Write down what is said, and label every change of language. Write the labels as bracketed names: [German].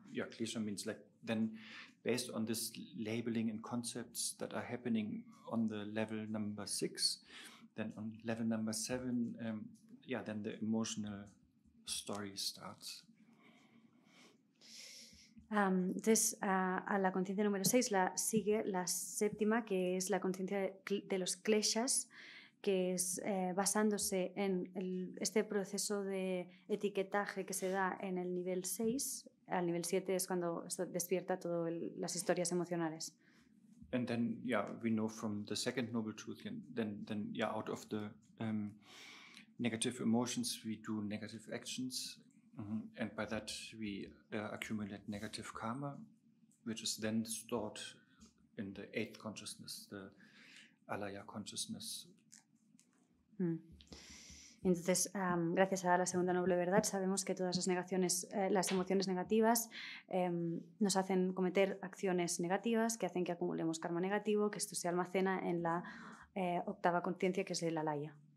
[English] Klesha means like then based on this labeling and concepts that are happening on the level number 6, then on level number 7, then the emotional story starts. [Spanish] A la conciencia número 6 la sigue la séptima, que es la conciencia de los kleshas, que es basándose en este proceso de etiquetaje que se da en el nivel 6. Al nivel 7 es cuando despierta todas las historias emocionales. [English] And then, we know from the second noble truth, then, out of the negative emotions, we do negative actions. Mm-hmm. And by that, we accumulate negative karma, which is then stored in the eighth consciousness, the alaya consciousness. Mm. [Spanish] Entonces, gracias a la segunda noble verdad, sabemos que todas las negaciones, las emociones negativas nos hacen cometer acciones negativas que hacen que acumulemos karma negativo, que esto se almacena en la octava conciencia, que es el alaya.